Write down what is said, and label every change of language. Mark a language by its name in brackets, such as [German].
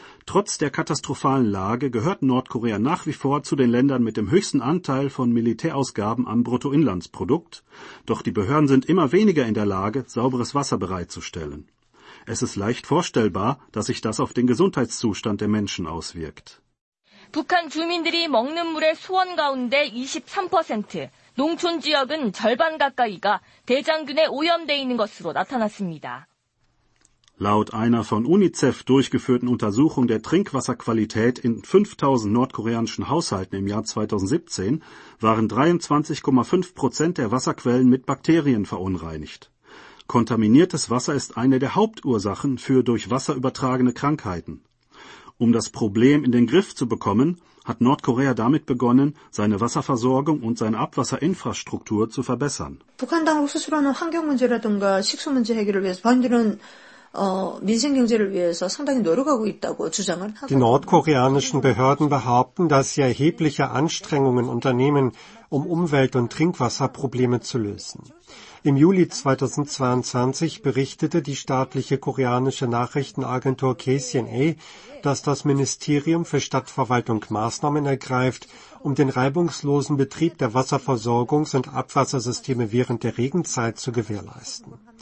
[German] Trotz der katastrophalen Lage gehört Nordkorea nach wie vor zu den Ländern mit dem höchsten Anteil von Militärausgaben am Bruttoinlandsprodukt. Doch die Behörden sind immer weniger in der Lage, sauberes Wasser bereitzustellen. Es ist leicht vorstellbar, dass sich das auf den Gesundheitszustand der Menschen auswirkt. [Korean] 북한 주민들이 먹는 물의 소원 가운데 23%, 농촌 지역은 절반 가까이가 대장균에 오염돼 있는 것으로 나타났습니다. [German] Laut einer von UNICEF durchgeführten Untersuchung der Trinkwasserqualität in 5000 nordkoreanischen Haushalten im Jahr 2017 waren 23,5% der Wasserquellen mit Bakterien verunreinigt. Kontaminiertes Wasser ist eine der Hauptursachen für durch Wasser übertragene Krankheiten. Um das Problem in den Griff zu bekommen, hat Nordkorea damit begonnen, seine Wasserversorgung und seine Abwasserinfrastruktur zu verbessern. [Korean] 북한 당국 스스로는 환경 문제라든가 식수 문제 해결을 위해서 본인은 민생경제를 위해서 상당히 노력하고 있다고 주장을 하고. [German] Die nordkoreanischen Behörden behaupten, dass sie erhebliche Anstrengungen unternehmen, um Umwelt- und Trinkwasserprobleme zu lösen. Im Juli 2022 berichtete die staatliche koreanische Nachrichtenagentur KCNA, dass das Ministerium für Stadtverwaltung Maßnahmen ergreift, um den reibungslosen Betrieb der Wasserversorgungs- und Abwassersysteme während der Regenzeit zu gewährleisten.